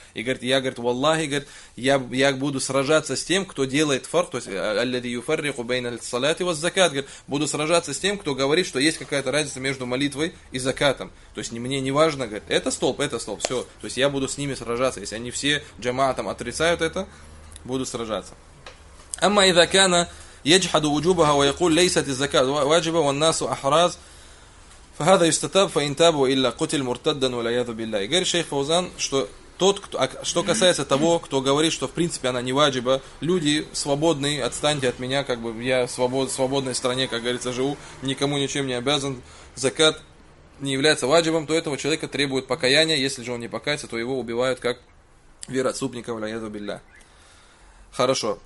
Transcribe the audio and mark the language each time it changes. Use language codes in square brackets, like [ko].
[ru] И говорит, «Я, говорит, валлах, я буду сражаться с тем, кто делает фарк, то есть [ar] «Алляди юфаррику бейн аль-салат и ваз-закат», [ru] говорит, буду сражаться с тем, кто говорит, что есть какая-то разница между молитвой и закатом. То есть мне не важно, говорит, это столб, все. То есть я буду с ними сражаться, если они все джамаатом отрицают это, буду сражаться. [ar] أما إذا كان يجحد وجوبها ويقول ليست الزكاة واجبة والناس أحراز فهذا يستتاب فإن تاب وإلا قتل مرتدا والعياذ بالله. [ru] Говорит шейх Фаузан, что тот, что касается того, кто говорит, что в принципе она не ваджиба, люди свободные, отстаньте от меня, как бы я в свободной стране, как говорится, живу, никому ничем не обязан, закат не является ваджибом, то этого человека требует покаяния, если же он не покается, то его убивают как вероотступника, [ar] валяяду билля. [ru] Хорошо.